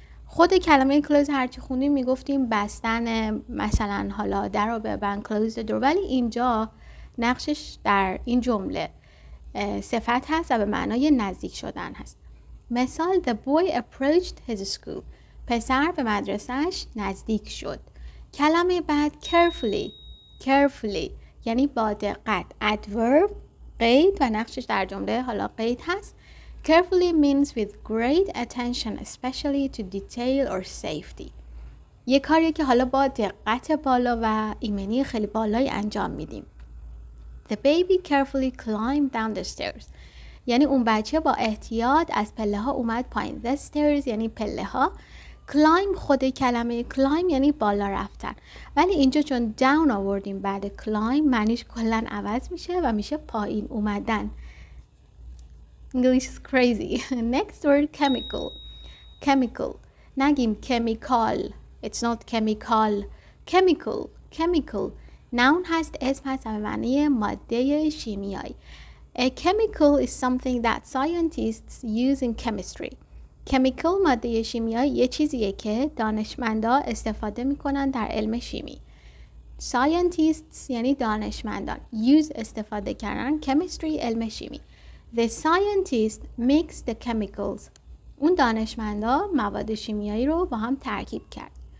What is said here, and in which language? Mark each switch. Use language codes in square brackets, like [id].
[fa] خود کلمه close هرچی خوندیم میگفتیم بستن، مثلا حالا در رو ببند، [en] close the door، [fa] ولی اینجا نقشش در این جمله صفت هست و به معنای نزدیک شدن هست. [en] مثال: The boy approached his school. [fa] پسر به مدرسهش نزدیک شد. کلمه بعد carefully. Carefully یعنی با دقت. Adverb قید و نقشش در جمله حالا قید هست. [en] Carefully means with great attention, especially to detail or safety. [fa] یه کاریه که حالا با دقت بالا و ایمنی خیلی بالایی انجام میدیم. [en] The baby carefully climbed down the stairs. [fa] یعنی اون بچه با احتیاط از پله ها اومد پایین. The stairs یعنی پله ها. Climb، خود کلمه climb یعنی بالا رفتن، ولی اینجا چون down آوردیم بعد climb معنیش کلن عوض میشه و میشه پایین اومدن. [en] English is crazy. Next word: chemical. Chemical، [fa] نگیم [en] chemical، it's not chemical. [fa] Chemical، chemical noun هست، اسم هست و معنی ماده شیمیایی. [en] A chemical is something that scientists use in chemistry. [fa] Chemical ماده شیمیایی یه چیزیه که دانشمندا استفاده میکنن در علم شیمی. Scientists یعنی دانشمندان. Use استفاده کردن. [en] Chemistry [fa] علم شیمی. [en] The scientist mixed the chemicals. [fa] اون دانشمندا مواد شیمیایی رو با هم ترکیب کرد.